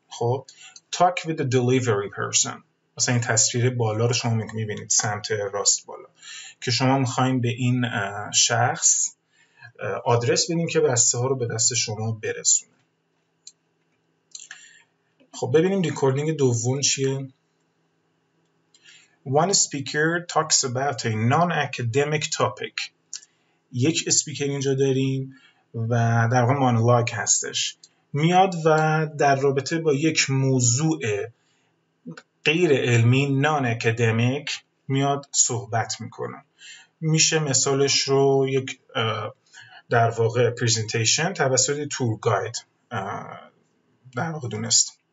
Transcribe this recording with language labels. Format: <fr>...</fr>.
<fa>خب</fa> <en>talk with the delivery person،</en> <fa>مثلا این تصویر بالا رو شما میبینید سمت راست بالا که شما میخواییم به این شخص آدرس بدیم که بسته ها رو به دست شما برسونه. خب ببینیم ریکوردینگ دوم چیه.</fa> <en>One speaker talks about a non-academic topic.</en> <fa>یک اسپیکر اینجا داریم و در واقع مونولوگ هستش، میاد و در رابطه با یک موضوع غیر علمی نان اکادمیک میاد صحبت میکنه. میشه مثالش رو یک در واقع پریزنتیشن توسط تور گاید در واقع دونست.</fa>